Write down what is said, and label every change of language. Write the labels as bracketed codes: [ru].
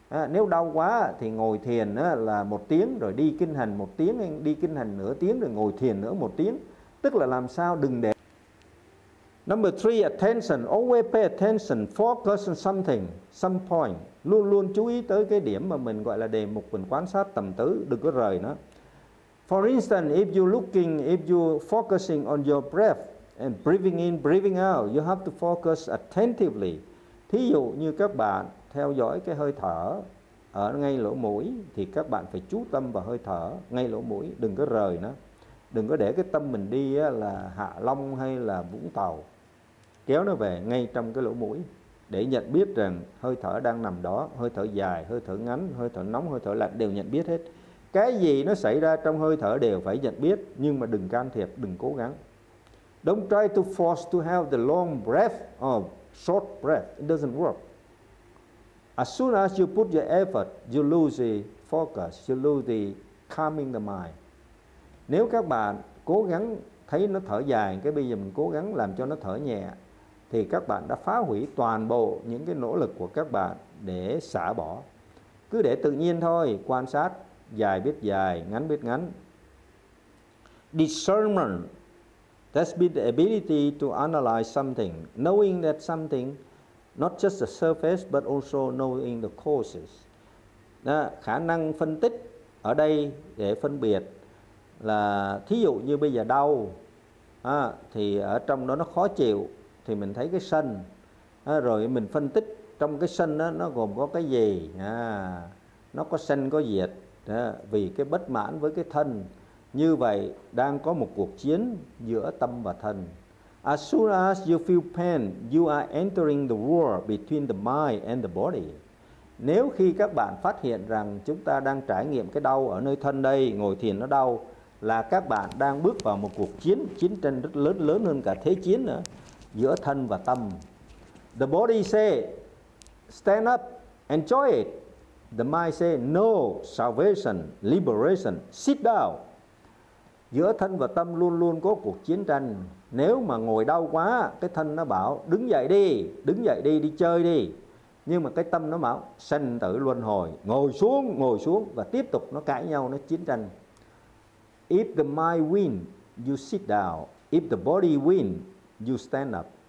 [vi] Nếu đau quá thì ngồi thiền là 1 tiếng rồi đi kinh hành 1 tiếng, đi kinh hành nửa tiếng rồi ngồi thiền nữa 1 tiếng, tức là làm sao đừng để. [en] Number 3, attention, always pay attention, focus on something, some point. [vi] Luôn luôn chú ý tới cái điểm mà mình gọi là đề mục, mình quan sát tầm tứ, đừng có rời nó. [en] For instance, if you focusing on your breath and breathing in, breathing out, you have to focus attentively. [vi] Thí dụ như các bạn theo dõi cái hơi thở ở ngay lỗ mũi thì các bạn phải chú tâm vào hơi thở ngay lỗ mũi, đừng có rời nó. Đừng có để cái tâm mình đi là Hạ Long hay là Vũng Tàu, kéo nó về ngay trong cái lỗ mũi để nhận biết rằng hơi thở đang nằm đó, hơi thở dài, hơi thở ngắn, hơi thở nóng, hơi thở lạnh đều nhận biết hết. Cái gì nó xảy ra trong hơi thở đều phải nhận biết, nhưng mà đừng can thiệp, đừng cố gắng. [en] Don't try to force to have the long breath or short breath. It doesn't work. As soon as you put your effort, you lose the focus, you lose the calming the mind. [vi] Nếu các bạn cố gắng thấy nó thở dài, cái bây giờ mình cố gắng làm cho nó thở nhẹ, thì các bạn đã phá hủy toàn bộ những cái nỗ lực của các bạn để xả bỏ. Cứ để tự nhiên thôi, quan sát, dài biết dài, ngắn biết ngắn. [en] Discernment, that's been the ability to analyze something, knowing that something, not just the surface, but also knowing the causes. [vi] Đó, khả năng phân tích ở đây để phân biệt là thí dụ như bây giờ đau thì ở trong đó nó khó chịu thì mình thấy cái sân, rồi mình phân tích trong cái sân đó nó gồm có cái gì, nó có sân có diệt, vì cái bất mãn với cái thân, như vậy đang có một cuộc chiến giữa tâm và thân. [en] As soon as you feel pain, you are entering the war between the mind and the body. [vi] Nếu khi các bạn phát hiện rằng chúng ta đang trải nghiệm cái đau ở nơi thân đây, ngồi thiền nó đau, là các bạn đang bước vào một cuộc chiến, chiến tranh rất lớn, lớn hơn cả thế chiến nữa, giữa thân và tâm. [en] The body say, stand up, enjoy it. The mind say, no, salvation, liberation, sit down. [vi] Giữa thân và tâm luôn luôn có cuộc chiến tranh. Nếu mà ngồi đau quá, cái thân nó bảo, đứng dậy đi, đi chơi đi. Nhưng mà cái tâm nó bảo, sanh tử luân hồi, ngồi xuống, và tiếp tục nó cãi nhau, nó chiến tranh. [en] If the mind win, you sit down. If the body win, you stand up.